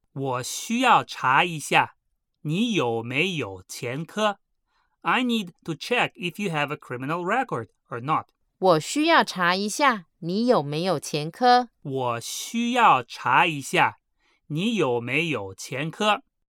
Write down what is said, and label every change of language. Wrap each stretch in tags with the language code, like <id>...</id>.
<zh>我需要查一下你有没有前科。</zh> <en>I need to check if you have a criminal record or not.</en> <zh>我需要查一下你有没有前科？我需要查一下，你有没有前科？</zh>